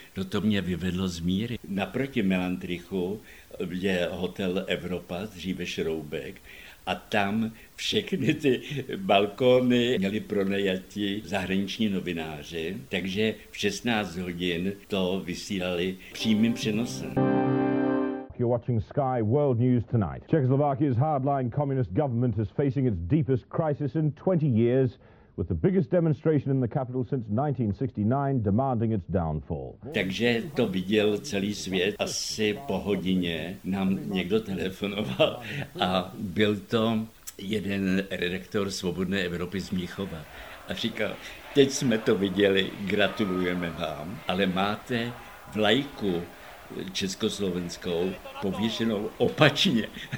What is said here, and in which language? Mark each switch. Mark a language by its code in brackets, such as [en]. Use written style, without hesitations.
[cs] No to mě vyvedlo z míry. Naproti Melantrichu je hotel Evropa, dříve Šroubek, a tam všechny ty balkóny měli pronajati zahraniční novináři, takže v 16:00 to vysílali přímým přenosem. [en] You're watching Sky World News tonight. Czechoslovakia's hardline communist government is facing its deepest crisis in 20 years, with the biggest demonstration in the capital since 1969 demanding its downfall. [cs] Takže to viděl celý svět. Asi po hodině nám někdo telefonoval a byl to jeden redaktor Svobodné Evropy z Mnichova a říkal, teď jsme to viděli, gratulujeme vám, ale máte vlajku československou pověšenou opačně.